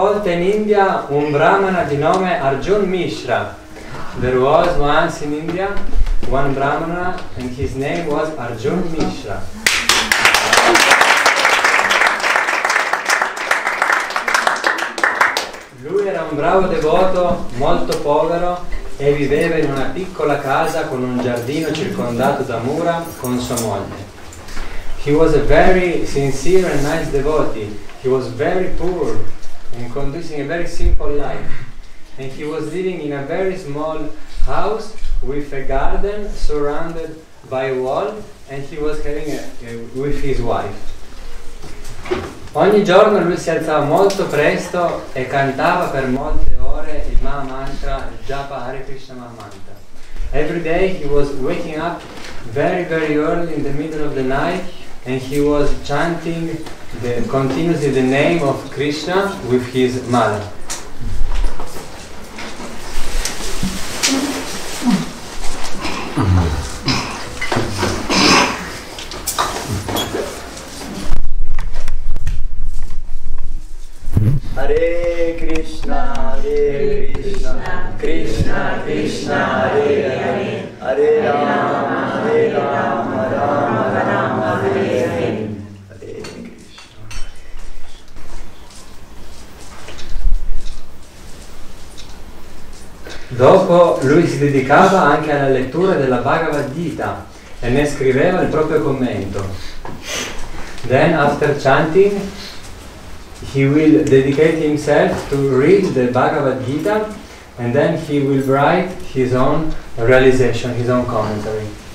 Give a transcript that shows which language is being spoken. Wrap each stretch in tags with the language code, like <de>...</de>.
<it>in India un brahmana di nome Arjun Mishra.</it> <en>There was once in India one brahmana and his name was Arjun Mishra.</en> <it>Lui era un bravo devoto, molto povero, e viveva in una piccola casa con un giardino circondato da mura con sua moglie.</it> <en>He was a very sincere and nice devotee. He was very poor and conducting a very simple life. And he was living in a very small house with a garden surrounded by a wall, and he was having with his wife.</en> <it>Ogni giorno lui si alzava molto presto e cantava per molte ore il Maha Mantra Japa Hare Krishna Maha Mantra.</it> <en>Every day he was waking up very, very early in the middle of the night, and he was chanting continuously the name of Krishna with his mother.</en> <sa>Hare Krishna, Hare Krishna, Krishna Krishna, Hare Hare, Hare Rama, Hare Rama, Rama Rama, Hare Hare. Hare Krishna.</sa> <it>Dopo lui si dedicava anche alla lettura della Bhagavad Gita e ne scriveva il proprio commento.</it> <en>Then after chanting, he will dedicate himself to read the Bhagavad Gita, and then he will write his own realization, his own commentary.</en>